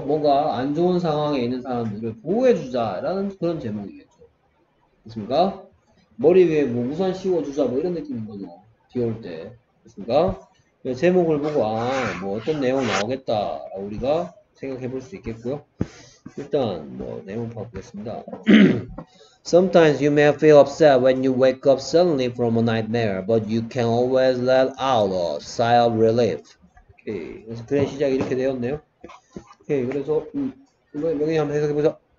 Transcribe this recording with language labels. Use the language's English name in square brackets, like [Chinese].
[Korean] 뭔가 안 좋은 상황에 있는 사람들을 보호해주자라는 그런 제목이에요. 그렇습니까? 머리 위에 뭐 우산 씌워주자 뭐 이런 느낌인 거죠. 비 올 때. 그렇습니까? 제목을 보고 아, 뭐 어떤 내용 나오겠다 우리가 생각해 볼 수 있겠고요. 일단 뭐 내용 봐보겠습니다. [English] Sometimes you may feel upset when you wake up suddenly from a nightmare, but you can always let out a sigh of relief. [Korean] 오케이. 그래서 그런 시작이 이렇게 되었네요. 오케이. 그래서 이거 명예 한번 해석해 보자.